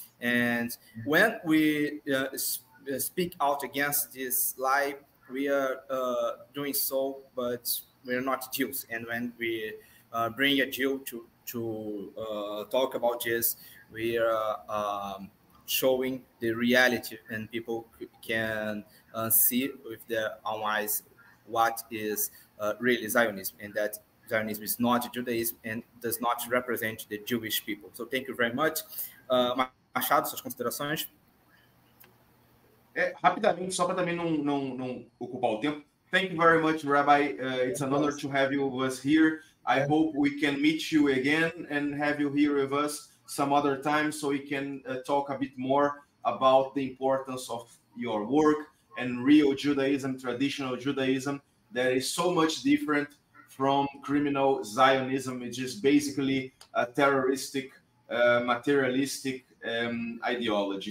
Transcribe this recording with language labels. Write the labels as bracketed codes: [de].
[en] And when we speak out against this lie, we are doing so, but we are not Jews, and when we bring a Jew to talk about this, we are showing the reality, and people can see with their own eyes what is really Zionism, and that Zionism is not Judaism and does not represent the Jewish people. So thank you very much. Machado, [pt] suas considerações? Rapidamente, só para também não ocupar o tempo. [en] Thank you very much, Rabbi. It's an honor to have you with us here. I hope we can meet you again and have you here with us some other time so we can talk a bit more about the importance of your work and real Judaism, traditional Judaism, that is so much different from criminal Zionism, which is basically a terroristic, materialistic ideology.